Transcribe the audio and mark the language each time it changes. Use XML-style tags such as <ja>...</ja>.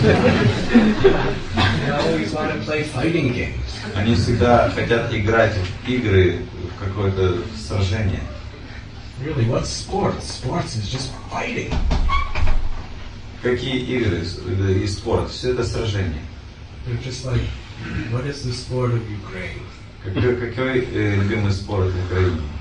<en>they always want to play fighting games.</en> <ru>Они всегда хотят играть в игры, в какое-то сражение.</ru> <en>Really, what sports? Sports is just fighting.</en> <ru>Какие игры и спорт? Все это сражение.</ru> <en>They're just like, what is the sport of Ukraine?</en> <ru>Какой любимый спорт в Украине?</ru>